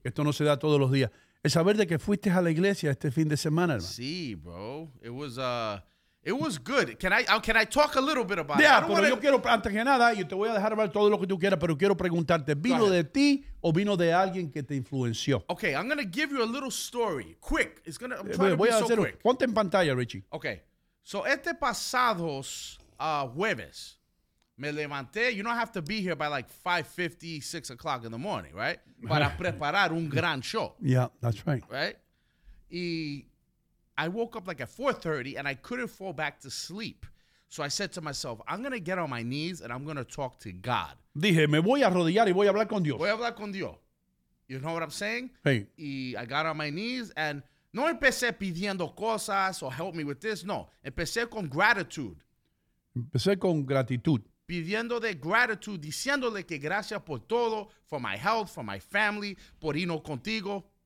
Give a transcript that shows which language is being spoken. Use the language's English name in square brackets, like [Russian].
[Spanish] Esto no se da todos los días. El saber de que fuiste a la iglesia este fin de semana, hermano. [English] Sí, bro. It was good. Can I talk a little bit about yeah, it? [Spanish] Yeah, pero yo quiero, antes que nada, yo te voy a dejar hablar todo lo que tú quieras, pero quiero preguntarte, ¿vino de ti o vino de alguien que te influenció? [English] Okay, I'm going to give you a little story, quick. I'm trying to be so quick. [Spanish] Ponte en pantalla, Richie. Okay. So, este pasado... jueves, me levanté. [English] You don't have to be here by like 5:50, 6 o'clock in the morning, right? [Spanish] Para preparar un gran show. [English] Yeah, that's right. Right? Y I woke up like at 4:30 and I couldn't fall back to sleep. So I said to myself, I'm going to get on my knees and I'm going to talk to God. [Spanish] Dije, me voy a arrodillar y voy a hablar con Dios. Voy a hablar con Dios. [English] You know what I'm saying? Hey. Y I got on my knees and [Spanish] no empecé pidiendo cosas [English] or help me with this. [Spanish] No, empecé con gratitude. Empecé con gratitud. Pidiendo de gratitud, diciéndole que gracias por todo, [English] for my health, for my family, [Spanish] por irnos contigo.